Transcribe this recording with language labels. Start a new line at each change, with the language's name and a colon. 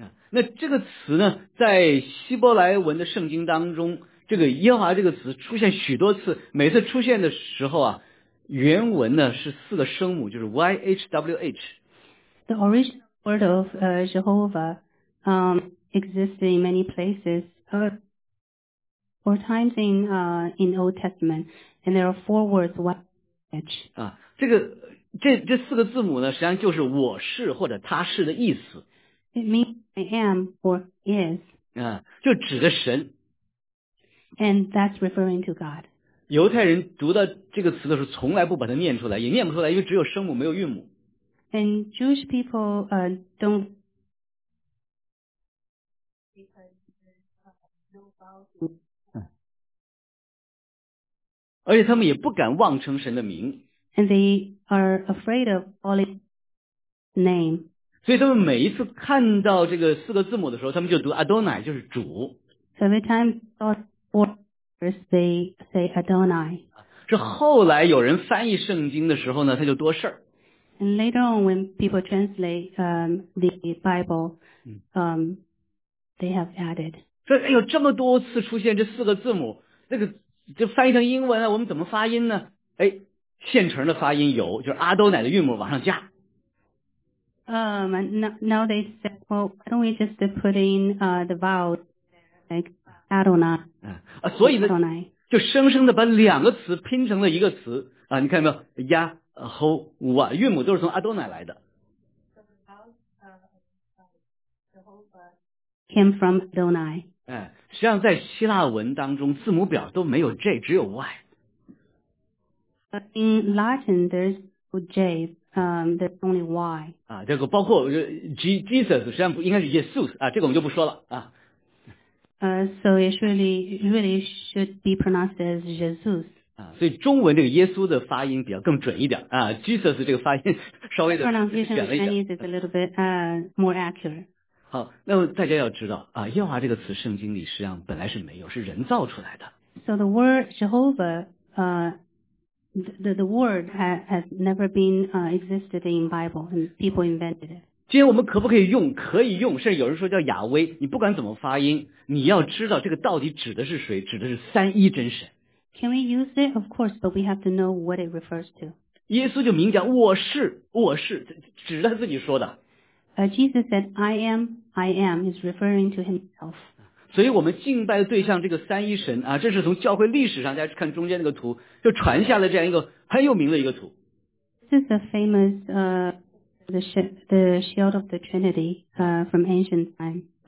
Chinese: 那这个词呢在希伯来文的圣经当中这个耶和华这个词出现许多次每次出现的时候原文呢是四个声母就是 YHWH。
English: The original word of, Jehovah,exists in many places, or times in Old Testament, and there are four words, YHWH.
Chinese: 这四个字母呢实际上就是我是或者他是的意思。
English: It means I am or is.
Chinese: 就指的神。
English: And that's referring to God.
Chinese: 犹太人读到这个词的时候从来不把它念出来也念不出来因为只有声母没有韵母。
English: And Jewish people, don't
Chinese: 而且他们也不敢妄称神的名
English: and they are afraid of calling name
Chinese: 所以他们每一次看到这个四个字母的时候他们就读 Adonai 就是主
English: so every time God orders they say Adonai
Chinese: 是后来有人翻译圣经的时候呢他就多事
English: and later on when people translate the Bible they have added
Chinese: 说哎呦这么多次出现这四个字母那个这翻译成英文啊我们怎么发音呢哎现成的发音有就是阿多乃的韵母往上加。
English: Now they say, well, why don't we just put in, the vowel, like, Adonai.
Chinese: 所以呢就生生的把两个词拼成了一个词你看到没有 Yahovah, 韵母都是从阿多乃来的。
English: came from Adonai.
Chinese: 实际上在希腊文当中字母表都没有 J, 只有 Y.
English: In Latin, there's no J, there's only Y.
Chinese: 这个包括 Jesus, 实际上应该是 Jesus, 这个我们就不说了。
English: So it really should be pronounced as Jesus.
Chinese: 所以中文这个耶稣的发音比较更准一点Jesus 这个发音稍微的。
English: Pronunciation in Chinese is a little bit, more accurate.
Chinese: 好那么大家要知道耶和华这个词圣经里实际上本来是没有是人造出来的。
English: So the word Jehovah, the word has never been, existed in Bible, and people invented it.
Chinese: 今天我们可不可以用可以用甚至有人说叫雅威你不管怎么发音你要知道这个到底指的是谁指的是三一真神。
English: Can we use it? Of course, but we have to know what it refers to.
Chinese: 耶稣就明讲我是我是指他自己说的。
English: Jesus said, I am, is referring to himself.
Chinese: 所以我们敬拜的对象这个三一神这是从教会历史上大家看中间那个图就传下了这样一个很有名的一个图。
English: This is a famous, the shield of the Trinity, from ancient time.